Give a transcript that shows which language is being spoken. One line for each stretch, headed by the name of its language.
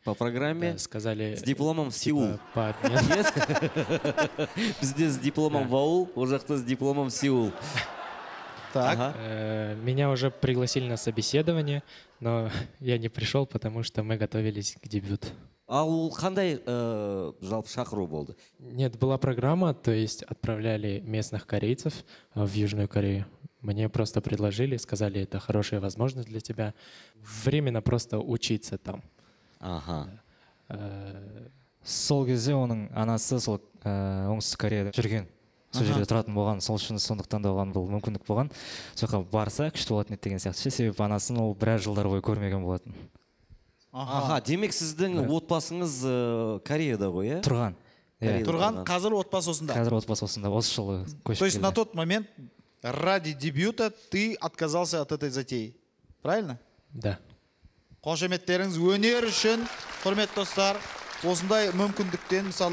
Russian: По программе? Да, сказали... С дипломом в Сеул. Бізде с дипломом в Аул, уже кто с дипломом в Сеул. Так. Ага. Меня уже пригласили на собеседование, но я не пришел, потому что мы готовились к дебют.
Kazakh: Ал қандай жалпы шақыру болды?
Russian: Нет, была программа, то есть отправляли местных корейцев в Южную Корею. Мне просто предложили, сказали, это хорошая возможность для тебя. Временно просто учиться там. Ага.
Kazakh: Сол кезде оның анасы сол оңтүстік Кореяда жүрген. Сол жерде тұратын болған, сол үшін сондықтан да оған бұл мүмкіндік болған. Сол жаққа барса күшті болатын еді деген сияқты. Себебі анасын ол біраз жылдар бойы көрмеген болатын. Аха, демек сіздің отбасыңыз Кореяда ғой, иә? Тұрған. Тұрған, қазір отбасы осында. Қазір отбасы осында, осы жылы көшіп келді.
Russian: То есть на тот момент ради дебюта ты отказался от этой затеи, правильно? Да.
Kazakh: Қошеметтеріңіз өнер үшін, құрметті достар, осындай мүмкіндіктен мысалы